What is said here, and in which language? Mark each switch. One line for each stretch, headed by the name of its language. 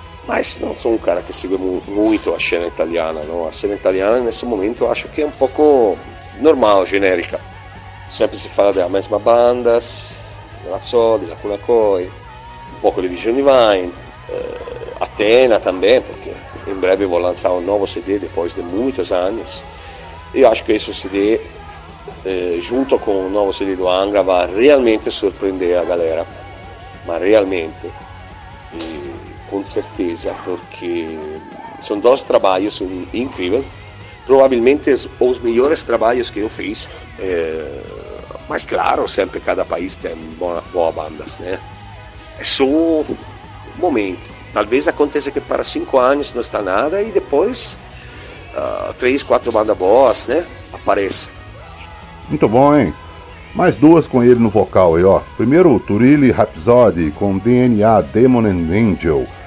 Portuguese: Mas não sou um cara que segue muito a cena italiana, não. A cena italiana, nesse momento, acho que é um pouco normal, genérica. Sempre se fala da mesma banda, da Soli, da Kulakoi, um pouco de Vision Divine, Atena também, porque em breve vou lançar um novo CD, depois de muitos anos. E acho que esse CD junto com o novo CD do Angra,
Italian: va realmente a sorprendere a galera, ma realmente, con certezza, perché sono due lavori incredibili, probabilmente sono i migliori lavori che ho fatto, ma è chiaro, sempre cada paese
Portuguese: tem boa banda, né?
Italian: È solo un momento.
Portuguese: Talvez aconteça que para 5 anos não está nada e depois 3, 4 bandas boas, né? Apareça. Muito bom, hein? Mais duas com ele no vocal aí, ó. Primeiro o Turilli Rhapsody com DNA, Demon and Angel.